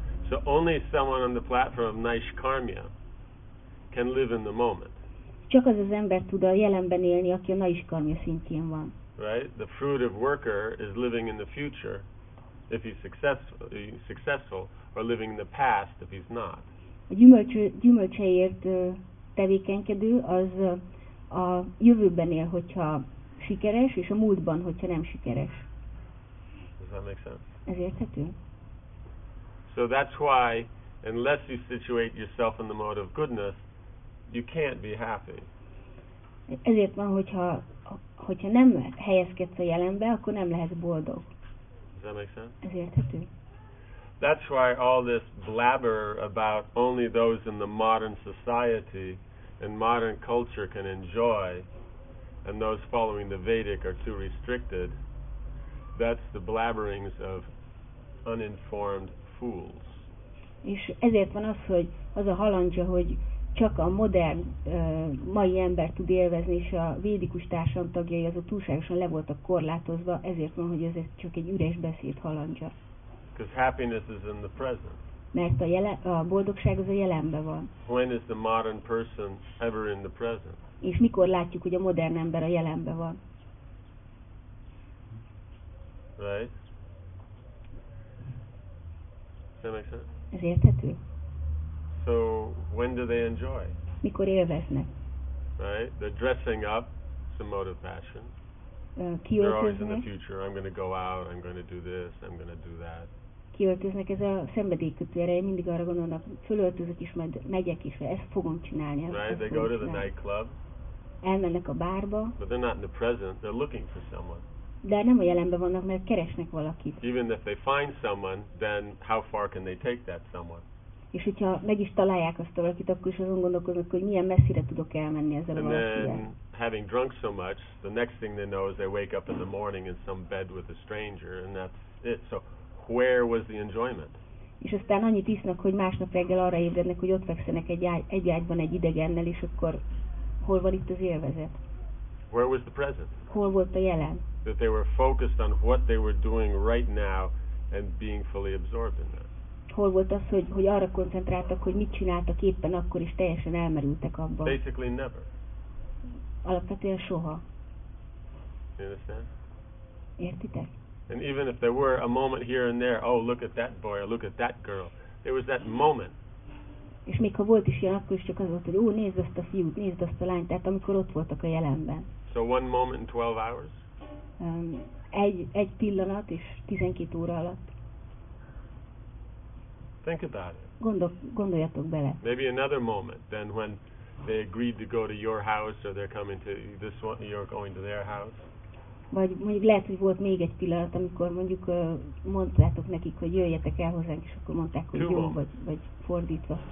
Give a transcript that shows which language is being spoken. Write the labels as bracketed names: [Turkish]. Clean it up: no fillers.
[English] Right. So only someone on the platform of Naishkarmya can live in the moment. [Hungarian] Csak az az ember tud a jelenben élni, aki a Naishkarmya szintjén van. [English] Right? The fruit of worker is living in the future if he's successful, or living in the past if he's not. [Hungarian] A gyümölcseért tevékenykedő az a jövőben él, hogyha sikeres, és a múltban, hogyha nem sikeres. [English] Does that make sense? [Hungarian] Ez érthető? [English] So that's why, unless you situate yourself in the mode of goodness, you can't be happy. [Hungarian] Ezért van, hogyha nem helyezkedsz a jelenbe, akkor nem lehetsz boldog. [English] Does that make sense? [Hungarian] Ez érthető? [English] That's why all this blabber about only those in the modern society and modern culture can enjoy, and those following the Vedic are too restricted, that's the blabberings of uninformed fools. [Hungarian] És ezért van az, hogy az a halandzsa, hogy csak a modern mai ember tud élvezni, és a védikus társadalom tagjai azok túlságosan le voltak korlátozva, ezért van, hogy ez csak egy üres beszéd halandzsa. [English] Because happiness is in the present. [Hungarian] Mert a boldogság az a jelenben van. [English] When is the modern person ever in the present? [Hungarian] És mikor látjuk, hogy a modern ember a jelenben van? [English] Right? Does that make sense? [Hungarian] Ez érthető? [English] So, when do they enjoy? [Hungarian] Mikor élveznek? [English] Right? They're dressing up, it's a mode of passion. [Hungarian] Kiöltöznek? [English] They're always in the future, I'm going to go out, I'm going to do this, I'm going to do that. [Hungarian] Kiöltöznek, ez a szenvedélykötő ereje, mindig arra gondolnak, fölöltözök is, majd megyek is, ezt fogom csinálni. [English] Right? They go to the nightclub. [Hungarian] Elmennek a bárba. [English] But they're not in the present, they're looking for someone. [Hungarian] De nem a jelenben vannak, mert keresnek valakit. [English] Even if they find someone, then how far can they take that someone? [Hungarian] És hogyha meg is találják azt a valakit, akkor is azon gondolkoznak, hogy milyen messzire tudok elmenni ezzel a [English] And [Hungarian] valakivel. [English] then, having drunk so much, the next thing they know is they wake up in the morning in some bed with a stranger, and that's it. So, where was the enjoyment? [Hungarian] És aztán annyit isznak, hogy másnap reggel arra ébrednek, hogy ott fekszenek egy ágyban egy idegennel, és akkor hol van itt az élvezet? [English] Where was the present? [Hungarian] Hol volt a jelen? [English] That they were focused on what they were doing right now and being fully absorbed in that. [Hungarian] Hol volt az, hogy arra koncentráltak, hogy mit csináltak éppen akkor, is teljesen elmerültek abban? [English] Basically never. [Hungarian] Alapvetően soha. [English] You understand? [Hungarian] Értitek? [English] And even if there were a moment here and there, oh, look at that boy, or look at that girl, there was that moment. [Hungarian] És még ha volt is ilyen, akkor is csak az volt, hogy ó, nézd azt a fiút, nézd azt a lányt, tehát amikor ott voltak a jelenben. [English] So one moment in 12 hours? [Hungarian] Egy pillanat és 12 óra alatt. [English] Think about it. [Hungarian] Gondoljatok bele. [English] Maybe another moment, then when they agreed to go to your house, or they're coming to this one, you're going to their house. [Hungarian] Vagy mondjuk lehet, hogy volt még egy pillanat, amikor mondjuk mondtátok nekik, hogy jöjjetek el hozzánk, és akkor mondták, hogy jó, vagy fordítva.